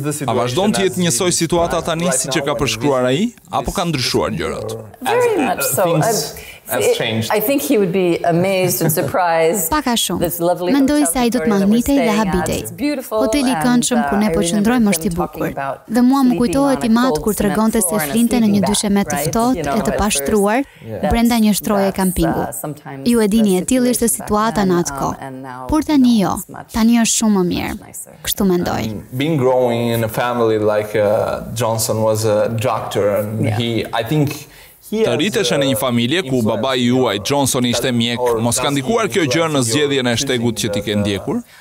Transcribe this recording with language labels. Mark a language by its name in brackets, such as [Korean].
[Albanian] A vazhdon të jetë njësoj situata tani si që ka përshkruar ai, apo ka ndryshuar gjërat? [English] Very much so. I think he would be amazed and surprised. [Albanian] Paka shumë. Mendoj se ai do të mahnitej dhe habitej. Hoteli i këndshëm ku ne po qëndrojmë është i bukur. Dhe mua më kujtohet i mat kur tregonte se flinte në një dyshe me të ftohtë e të pashtruar brenda një shtroje kampingu. Ju e dini e tillë ishte situata në atë kohë. Por tani jo. Tani është shumë më mirë. Kështu mendoj. [English] Being growing in a family like Johnson was a doctor and he I think [Albanian] të rritesh në një familje ku babai juaj Johnson ishte mjek, mos ka ndikuar kjo gjë në zgjedhjen e shtegut që ti ke ndjekur?